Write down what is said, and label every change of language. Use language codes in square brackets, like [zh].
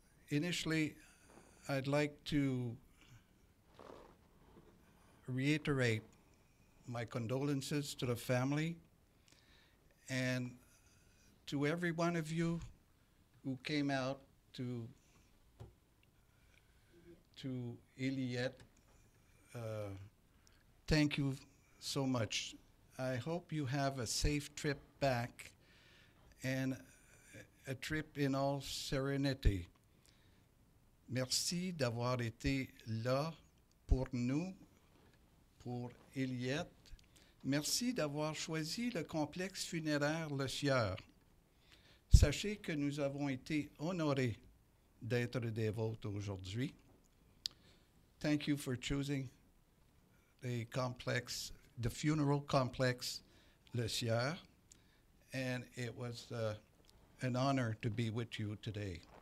[en] Initially, I'd like to reiterate my condolences to the family and to every one of you who came out to Iliette. Thank you so much. I hope you have a safe trip back and a trip in all serenity. [fr] Merci d'avoir été là pour nous, pour Iliette. Merci d'avoir choisi le complexe funéraire Le Sieur. Sachez que nous avons été honorés d'être des vôtres aujourd'hui. [en] Thank you for choosing the funeral complex Le Sieur, and it was an honor to be with you today.